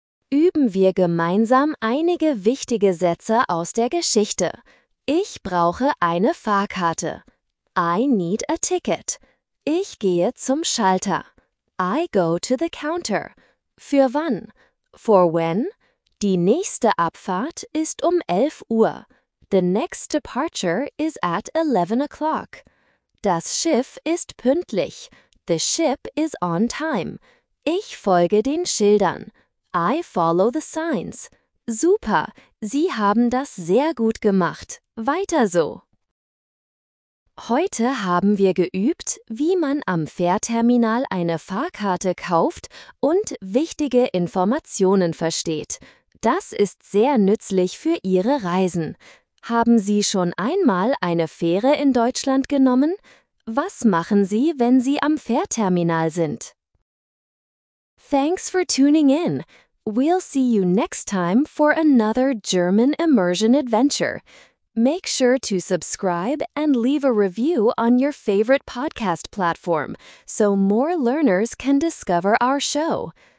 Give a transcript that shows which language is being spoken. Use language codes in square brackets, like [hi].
[de] Üben wir gemeinsam einige wichtige Sätze aus der Geschichte. Ich brauche eine Fahrkarte. [en] I need a ticket. [de] Ich gehe zum Schalter. [en] I go to the counter. [de] Für wann? [en] For when? [de] Die nächste Abfahrt ist um 11 Uhr. [en] The next departure is at 11 o'clock. [de] Das Schiff ist pünktlich. [en] The ship is on time. [de] Ich folge den Schildern. [en] I follow the signs. [de] Super, Sie haben das sehr gut gemacht. Weiter so. Heute haben wir geübt, wie man am Fährterminal eine Fahrkarte kauft und wichtige Informationen versteht. Das ist sehr nützlich für Ihre Reisen. Haben Sie schon einmal eine Fähre in Deutschland genommen? Was machen Sie, wenn Sie am Fährterminal sind? [en] Thanks for tuning in. We'll see you next time for another German immersion adventure. Make sure to subscribe and leave a review on your favorite podcast platform so more learners can discover our show.